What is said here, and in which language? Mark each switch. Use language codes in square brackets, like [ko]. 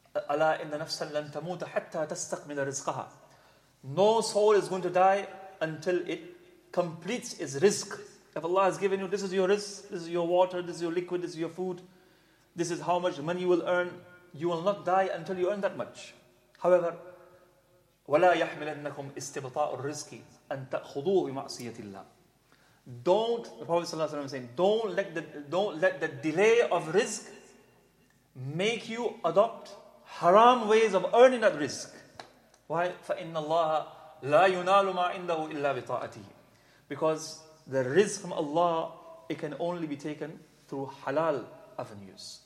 [ar] أَلَا إِنَّ نَفْسًا لَن تَمُوتَ حَتَّى تَسْتَقْمِلَ رِزْقَهَا. [en] No soul is going to die until it completes its rizq. If Allah has given you, this is your rizq, this is your water, this is your liquid, this is your food, this is how much money you will earn, you will not die until you earn that much. However, [ar] وَلَا يَحْمِلَنَّكُمْ إِسْتِبْطَاءُ الرِّزْقِ أَن تَأْخُذُوهُ بِمَعْصِيَةِ اللَّهِ. [en] Don't, the Prophet ﷺ is saying, don't let the delay of rizq make you adopt haram ways of earning that rizq. Why? [ar] فَإِنَّ اللَّهَ لَا يُنَالُ مَا عِنْدَهُ إِلَّا بِطَاعَتِهِ. [en] Because the rizq from Allah, it can only be taken through halal avenues.